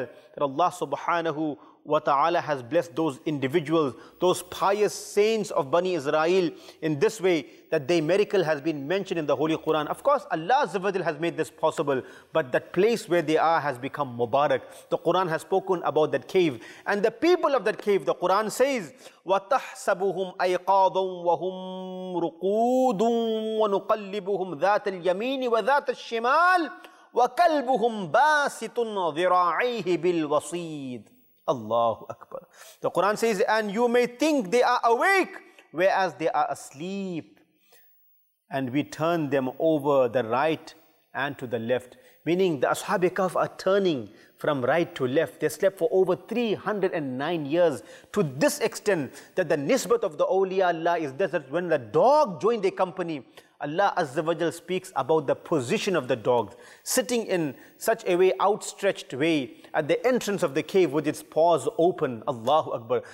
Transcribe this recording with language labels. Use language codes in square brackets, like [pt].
[en] That Allah subhanahu wa ta'ala has blessed those individuals, those pious saints of Bani Israel in this way, that their miracle has been mentioned in the Holy Quran. Of course, Allah Azza wa Jalla has made this possible, but that place where they are has become Mubarak. The Quran has spoken about that cave. [ar] And the people of that cave, the Quran says, وَتَحْسَبُهُمْ أَيْقَاضًا وَهُمْ رُقُودٌ وَنُقَلِّبُهُمْ ذَاتَ الْيَمِينِ وَذَاتَ الشِّمَالِ وَكَلْبُهُمْ بَاسِطٌ ذِرَاعِيهِ بِالْوَصِيدِ Allahu Akbar. [en] The Quran says, and you may think they are awake, whereas they are asleep. And we turn them over the right and to the left. Meaning the Ashab-e Kahf are turning from right to left. They slept for over 309 years to this extent that the nisbat of the awliya Allah is that when the dog joined their company, Allah Azza wa Jal speaks about the position of the dog sitting in such a way, outstretched way at the entrance of the cave with its paws open. Allahu Akbar.